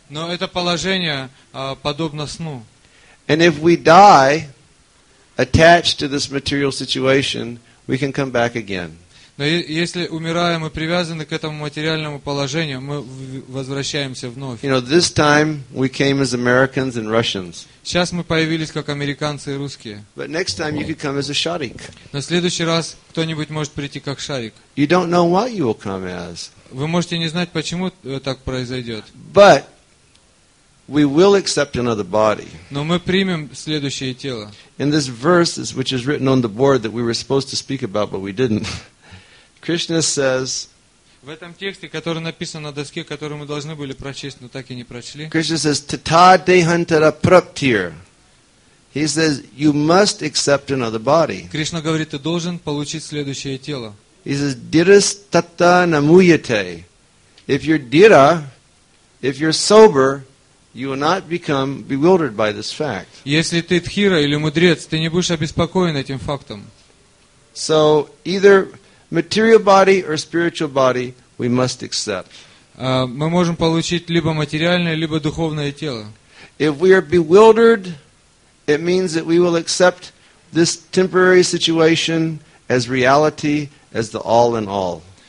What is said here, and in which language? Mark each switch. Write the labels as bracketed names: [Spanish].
[Russian] Но это положение подобно сну. [English] And if we die attached to this material situation, we can come back again. [Russian] Но если умираем и привязаны к этому материальному положению, мы возвращаемся вновь. [English] You know, this time we came as Americans and Russians. [Russian] Сейчас мы появились как американцы и русские. [English] But next time you could come as a Шарик. [Russian] На следующий раз кто-нибудь может прийти как Шарик. [English] You don't know what you will come as. [Russian] Вы можете не знать, почему так произойдет. [English] But we will accept another body. [Russian] Но мы примем следующее тело. [English] In this verse, which is written on the board that we were supposed to speak about, but we didn't, Krishna says. [Russian] В этом тексте, который написан на доске, который мы должны были прочесть, но так и не прочли. [English] Krishna says, [Sanskrit] "Tathadehantara praptir." [English] He says, "You must accept another body." [Russian] Кришна говорит, ты должен получить следующее тело. [English] He says, [Sanskrit] "Diras tata namuyate." [English] If you're dira, if you're sober, you will not become bewildered by this fact. [Russian] Если ты дхира или мудрец, ты не будешь обеспокоен этим фактом. [English] So either material body or spiritual body, we must accept. [Russian] Мы можем получить либо материальное, либо духовное тело. [English] If we are bewildered, it means that we will accept this temporary situation as reality, as the all in all.